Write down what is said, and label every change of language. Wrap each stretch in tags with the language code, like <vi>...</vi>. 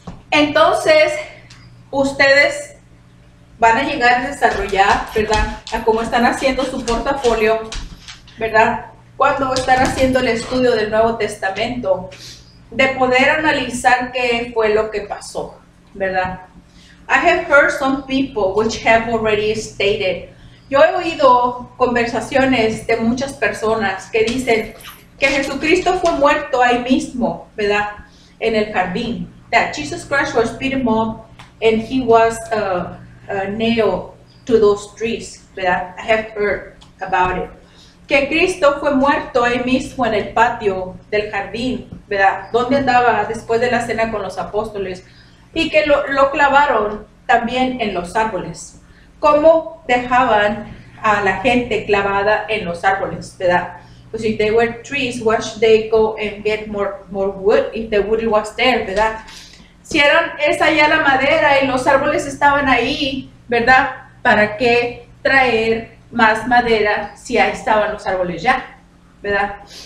<es>Entonces, ustedes van a llegar a desarrollar, ¿verdad? A cómo están haciendo su portafolio, ¿verdad? Cuando están haciendo el estudio del Nuevo Testamento, de poder analizar qué fue lo que pasó, ¿verdad?</es> <en>I have heard some people which have already stated.</en> <es>Yo he oído conversaciones de muchas personas que dicen que Jesucristo fue muerto ahí mismo, ¿verdad? En el jardín.</es> <en>That Jesus Christ was beat him up and he was nailed to those trees, ¿verdad? I have heard about it.</en> <es>Que Cristo fue muerto ahí mismo en el patio del jardín, ¿verdad? Donde andaba después de la cena con los apóstoles. Y que lo clavaron también en los árboles. ¿Cómo dejaban a la gente clavada en los árboles, verdad?</es> <en>Pues if they were trees, why should they go and get more wood if the wood was there, verdad?</en> <es>Si eran esa ya la madera y los árboles estaban ahí, ¿verdad? ¿Para qué traer más madera si ahí estaban los árboles ya, verdad?</es>